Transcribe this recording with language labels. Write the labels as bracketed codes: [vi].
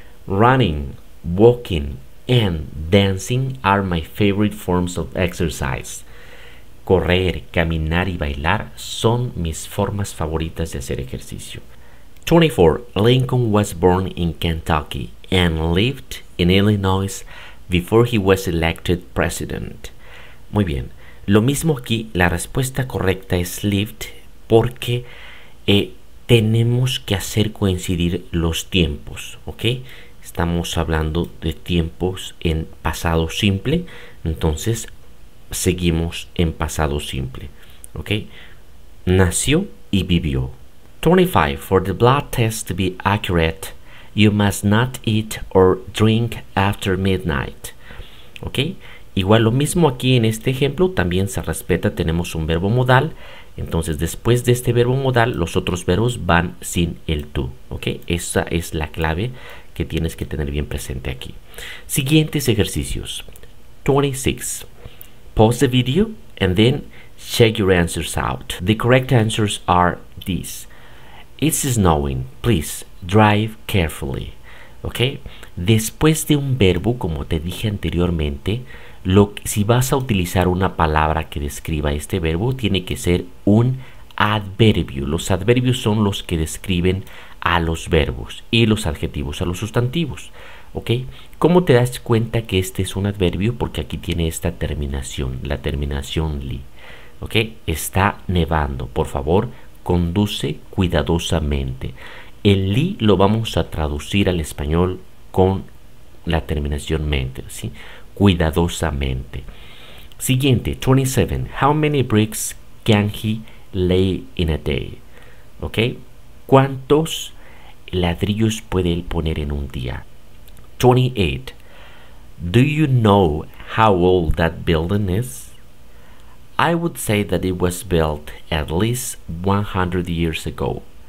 [en] Running, walking, and dancing are my favorite forms of exercise. [es] Correr, caminar y bailar son mis formas favoritas de hacer ejercicio. 24. [en] Lincoln was born in Kentucky and lived in Illinois before he was elected president. [es] Muy bien, lo mismo aquí, la respuesta correcta es lived porque tenemos que hacer coincidir los tiempos, ¿ok? Estamos hablando de tiempos en pasado simple, entonces seguimos en pasado simple, ¿ok? Nació y vivió. 25. [en] For the blood test to be accurate, you must not eat or drink after midnight. [es] ¿Ok? Igual lo mismo aquí en este ejemplo, también se respeta, tenemos un verbo modal. Entonces, después de este verbo modal, los otros verbos van sin el tú. ¿Ok? Esa es la clave que tienes que tener bien presente aquí. Siguientes ejercicios. 26. [en] Pause the video and then check your answers out. The correct answers are these. It's snowing. Please drive carefully. ¿Ok? [es] Después de un verbo, como te dije anteriormente, si vas a utilizar una palabra que describa este verbo, tiene que ser un adverbio. Los adverbios son los que describen a los verbos y los adjetivos a los sustantivos. ¿Ok? ¿Cómo te das cuenta que este es un adverbio? Porque aquí tiene esta terminación, la terminación li. ¿Ok? Está nevando. Por favor, conduce cuidadosamente. El li lo vamos a traducir al español con la terminación mente, ¿sí? Cuidadosamente. Siguiente, 27. [en] How many bricks can he lay in a day? [es] ¿Ok? ¿Cuántos ladrillos puede él poner en un día? 28. [en] Do you know how old that building is? I would say that it was built at least 100 years ago.